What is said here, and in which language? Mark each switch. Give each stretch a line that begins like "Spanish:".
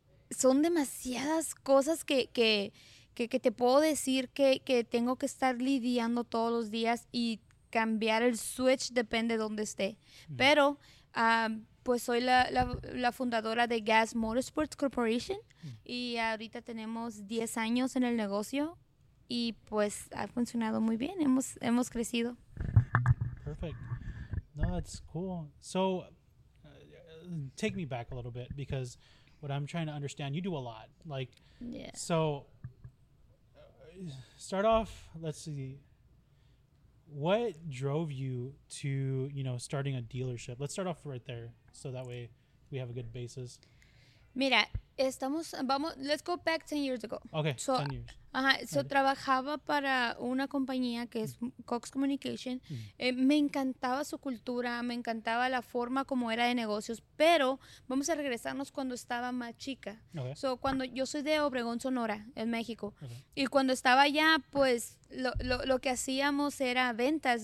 Spanish: Son demasiadas cosas que te puedo decir que tengo que estar lidiando todos los días y cambiar el switch depende de donde esté. Pero, pues soy la fundadora de Gas Motorsports Corporation y ahorita tenemos 10 años en el negocio y pues ha funcionado muy bien, hemos crecido.
English: Perfect. No, that's cool. So, take me back a little bit because what I'm trying to understand, you do a lot. Like, yeah. So, start off, let's see. What drove you to, you know, starting a dealership? Let's start off right there so that way we have a good basis. Mira, let's go back 10 years ago. Okay, so, 10 years.
Spanish: So trabajaba para una compañía que es Cox Communication. Me encantaba su cultura, me encantaba la forma como era de negocios, pero vamos a regresarnos cuando estaba más chica.
English: Okay.
Spanish: So, cuando yo soy de Obregón, Sonora, en México. Okay. Y cuando estaba allá, pues lo que hacíamos era ventas.